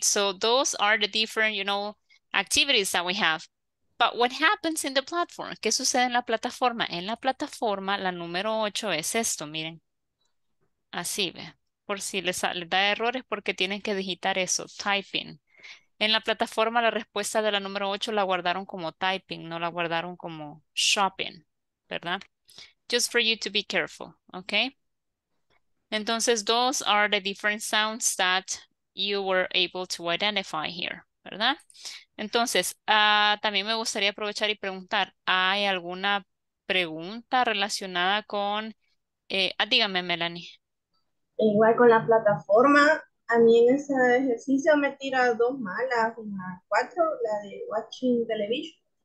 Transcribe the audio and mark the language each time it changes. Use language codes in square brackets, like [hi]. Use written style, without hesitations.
[en] So those are the different, you know, activities that we have. But what happens in the platform? [es] ¿Qué sucede en la plataforma? En la plataforma, la número 8 es esto, miren. Así, ve. Por si les da errores porque tienen que digitar eso, typing. En la plataforma, la respuesta de la número 8 la guardaron como typing, no la guardaron como shopping, ¿verdad? [en] Just for you to be careful, ¿ok? Entonces, those are the different sounds that you were able to identify here, ¿verdad? [es] Entonces, también me gustaría aprovechar y preguntar, ¿hay alguna pregunta relacionada con... dígame, Melanie. Igual con la plataforma, a mí en ese ejercicio me tira dos malas, una cuatro, la de watching television.